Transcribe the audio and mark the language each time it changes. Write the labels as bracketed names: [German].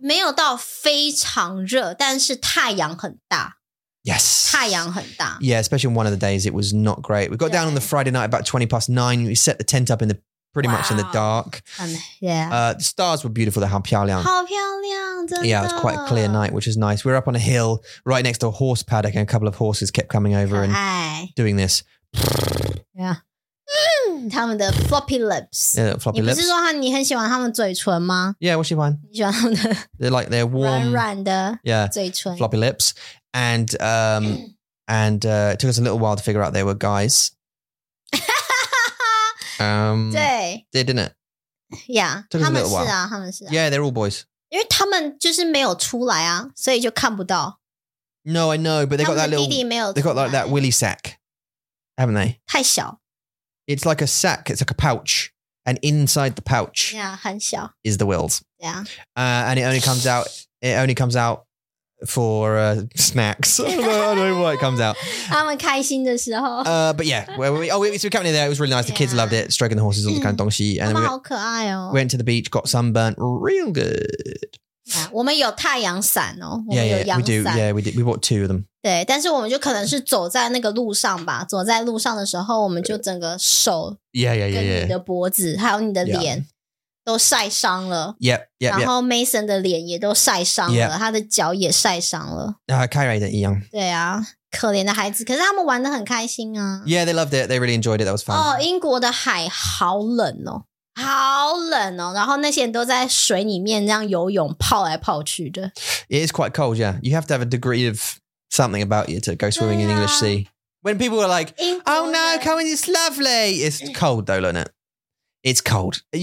[Chinese] 没有到非常热，但是太阳很大。 [English] Yes. [Chinese] 太阳很大。 [English] Yeah, especially on one of the days, it was not great. We got down on the Friday night about 9:20. We set the tent up in the pretty much in the dark. Yeah. The stars were beautiful. [Chinese] 好漂亮。好漂亮，真的。 [English] Yeah, it was quite a clear night, which is nice. We were up on a hill right next to a horse paddock and a couple of horses kept coming over and doing this. Yeah. [Chinese] 他们的 [English] floppy lips. Yeah, floppy lips. [Chinese] 你不是说你很喜欢他们嘴唇吗？ Yeah, 我喜欢。你喜欢他们的？ [English] They're like, they're warm. [Chinese] 软软的。 [English] Yeah. [Chinese] 嘴唇。 [English] Floppy lips. And it took us a little while to figure out they were guys. [Chinese] 对。 [English] They didn't it? Yeah. Took us a little while. [Chinese] 他们是啊。 [English] Yeah, they're all boys. [Chinese] 因为他们就是没有出来啊，所以就看不到。 [English] No, I know, but they got that little, [Chinese] 他们的弟弟没有出来。 [English] They got like that willy sack, haven't they? [Chinese] 太小。 [English] It's like a sack, it's like a pouch, and inside the pouch [Chinese] yeah, 很小 [English] is the wills. Yeah. And it only comes out,for snacks. I don't know why it comes out. [Chinese] 他们开心的时候。 [English] But yeah, we camped there. It was really nice. The kids loved it. Stroking the horses, all the kind of 东西。 [Chinese] 他们好可爱哦。 [English] Went to the beach, got sunburnt real good. [Chinese] Yeah, 我们有太阳伞哦。 [English] Yeah, we do. Yeah, we did. We bought two of them. [Chinese] 对，但是我们就可能是走在那个路上吧。走在路上的时候，我们就整个手。 Yeah. 跟你的脖子，还有你的脸。都晒伤了 [English] yep. [Chinese] 然后 Mason 的脸也都晒伤了 他的脚也晒伤了 Kyrie 的一样对啊可怜的孩子可是他们玩得很开心啊 [English] Yeah, they loved it, they really enjoyed it, that was fun [Chinese] 哦、oh, 英国的海好冷哦好冷哦然后那些人都在水里面这样游泳泡来泡去的 [English] It is quite cold, yeah You have to have a degree of something about you to go swimming、啊、 in English Sea When people are like, oh no, come on, it's lovely It's cold though, isn't it? It's cold.